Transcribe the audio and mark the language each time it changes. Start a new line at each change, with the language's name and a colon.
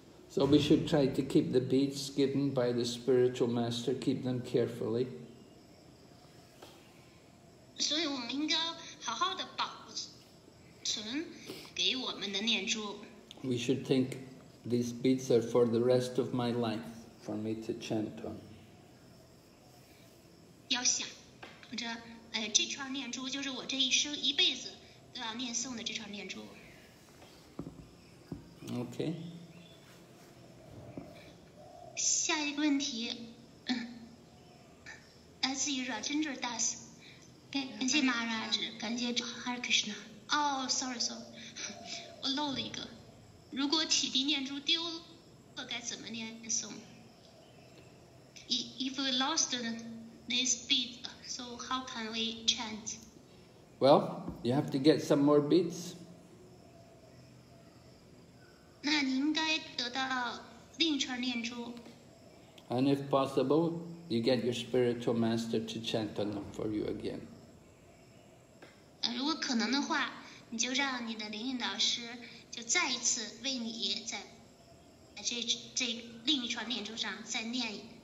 English: So we should try to keep the beads given by the spiritual master, keep them carefully. So we should try to keep the beads given by the spiritual master, keep them carefully. We should think these beads are for the rest of my life, for me to chant on.
Chinese: 要想着，这串念珠就是我这一生一辈子都要念诵的这串念珠。 Okay. 下一个问题，来自于 Rajendra Das， 感谢 Maharaj， 感谢 Hare Krishna。哦 ，
English: sorry，
Chinese: 我漏了一个。如果启迪念珠丢了，该怎么念诵 ？
English: If we lost this bead, so how can we chant? Well, you have to get some more beads.
Chinese: 那你应该得到另一串念珠。
English: And if possible, you get your spiritual master to chant on them for you again.
Chinese: 如果可能的话，你就让你的灵性导师。就再一次为你在这另一串念珠上再念。